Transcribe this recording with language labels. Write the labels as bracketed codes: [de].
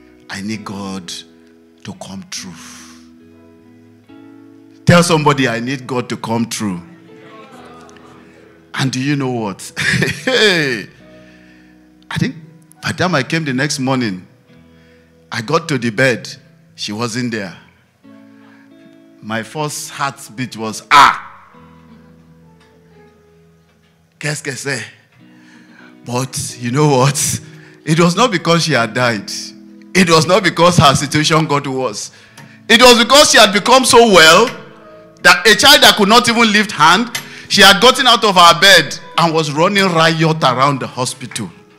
[en] I need God to come true. Tell somebody, I need God to come true. And do you know what? I think by the time I came the next morning, I got to the bed. She wasn't there. My first heartbeat was, [fr] Qu'est-ce que c'est? [en] But you know what? It was not because she had died. It was not because her situation got worse. It was because she had become so well that a child that could not even lift hand, she had gotten out of her bed and was running riot around the hospital.